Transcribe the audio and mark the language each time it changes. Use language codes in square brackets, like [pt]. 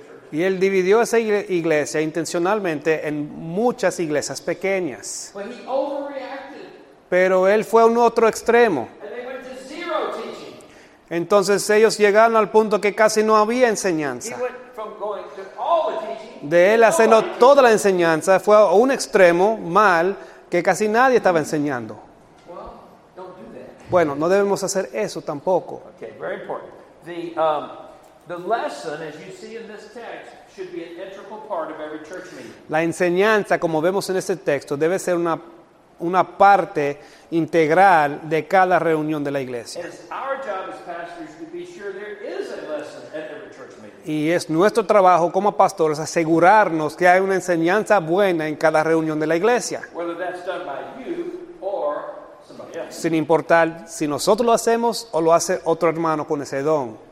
[es] Y él dividió esa iglesia intencionalmente en muchas iglesias pequeñas. [en] But he overreacted. [es] Pero él fue a un otro extremo. [en] And they went to zero teaching. [es] Entonces ellos llegaron al punto que casi no había enseñanza. [en] He went from going to all the teaching, [es] de él haciendo toda la enseñanza, fue a un extremo mal que casi nadie estaba enseñando. [en] Well, don't do that. [es] Bueno, no debemos hacer eso tampoco. [en] Okay, very important. The lesson, as you see in this text, should be an integral part of every church meeting. [es] La enseñanza, como vemos en este texto, debe ser una parte integral de cada reunión de la iglesia. [en] It is our job as pastors to be sure there is a lesson at every church meeting. [es] Y es nuestro trabajo como pastores asegurarnos que hay una enseñanza buena en cada reunión de la iglesia. [en] Whether that's done by you or somebody else. [es] Sin importar si nosotros lo hacemos o lo hace otro hermano con ese don.